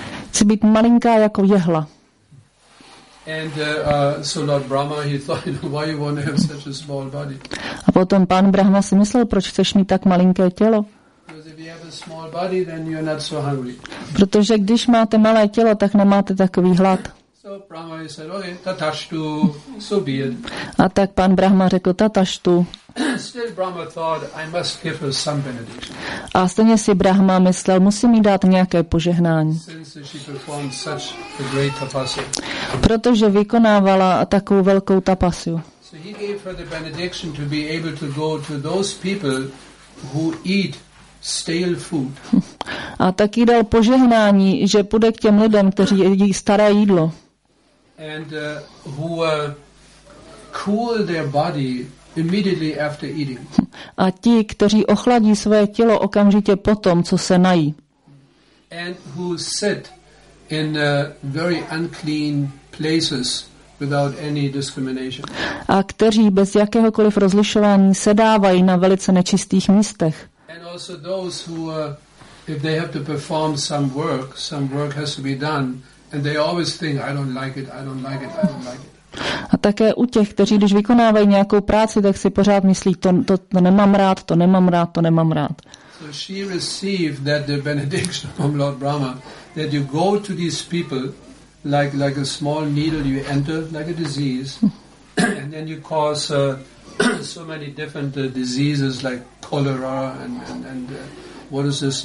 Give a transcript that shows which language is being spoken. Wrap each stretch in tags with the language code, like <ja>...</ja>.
<cs>Chci být malinká jako jehla.</cs> <en>And so Lord Brahma, he thought, why you want to have such a small body?</en> <cs>A potom pán Brahma si myslel, proč chceš mít tak malinké tělo?</cs> <en>Because if you have a small body, then you're not so hungry.</en> <cs>Protože když máte malé tělo, tak nemáte takový hlad.</cs> <en>So Brahma said, okay, tatashtu, so be it.</en> <cs>A tak pán Brahma řekl, tatashtu.</cs> <en>Still Brahma thought, I must give her some benediction.</en> <cs>A stejně si Brahma myslel, musím jí dát nějaké požehnání.</cs> <en>Since she performed such a great tapasu.</en> <cs>Protože vykonávala takovou velkou tapasu.</cs> <en>So he gave her the benediction to be able to go to those people who eat stale food.</en> <cs>A tak jí dal požehnání, že půjde k těm lidem, kteří jedí staré jídlo.</cs> <en>And who cool their body immediately after eating.</en> <cs>A ti, kteří ochladí své tělo okamžitě potom, co se nají.</cs> <en>And who sit in very unclean places without any discrimination.</en> <cs>A kteří bez jakéhokoliv rozlišování sedávají na velice nečistých místech.</cs> <en>And also those who if they have to perform some work has to be done and they always think I don't like it, I don't like it, I don't like it.</en> <cs>A také u těch, kteří když vykonávají nějakou práci, tak si pořád myslí, to nemám rád, to nemám rád, to nemám rád.</cs> <en>So she received that the benediction from Lord Brahma that you go to these people like a small needle, you enter like a disease, and then you cause so many different diseases like cholera and what is this?</en>